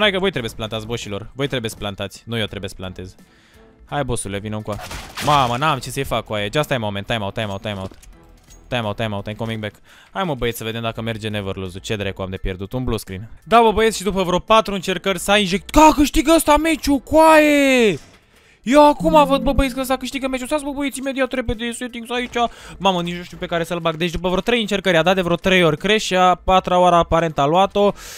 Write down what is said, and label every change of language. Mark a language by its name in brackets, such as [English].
[Romanian] Hai că voi trebuie să plantați, boșilor. Voi trebuie să plantați, nu eu trebuie să plantez. Hai, bossule, vină cu aia. Mamă, n-am ce să-i fac cu aia. [English] Just time moment, time out, time out, time out. Time out, time out, I'm coming back. [Romanian] Hai mă, băieți, să vedem dacă merge neverlose-ul. Ce dracu am de pierdut, un blue screen. Da, bă, băieți, și după vreo 4 încercări s-a injectat. Ca câștigă ăsta meciul cu aia. Eu acum văd, bă, băieți, că s-a câștigat meciul. Stați, bă, băieți, imediat repede settings aici. Mamă, nici nu știu pe care să-l bag. Deci după vreo 3 încercări a dat de vreo 3 ori crash și a 4-a oară aparent a luat-o.